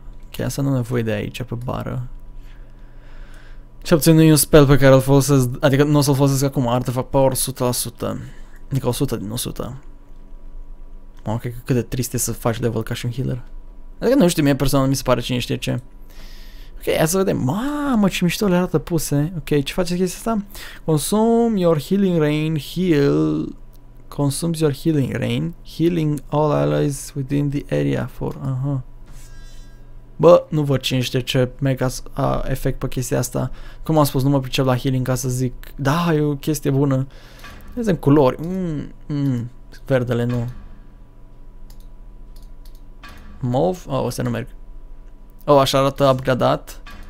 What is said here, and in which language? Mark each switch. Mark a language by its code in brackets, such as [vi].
[ro] Chiar să nu am nevoie de aici pe bară. Ce opțiune nu e un spell pe care îl folosesc, adică nu o să-l folosesc acum, artifact power 100%. Adică 100 din 100. Mă, cred că cât de trist e să faci level ca și un healer. Adică nu știu, mie personal mi se pare cine știe ce. Ok, hai să vedem. Mamă, ce mișto le arată puse. Ok, ce face chestia asta? [en] Consume your healing rain, heal. Consumes your healing rain, healing all allies within the area for, aha. [ro] Bă, nu văd cine știe ce mega efect pe chestia asta. Cum am spus, nu mă pricep la healing ca să zic, da, e o chestie bună. Vedeți în culori, verdele nu. Mauve? Oh, astea nu merg. Oh, așa arată upgradat.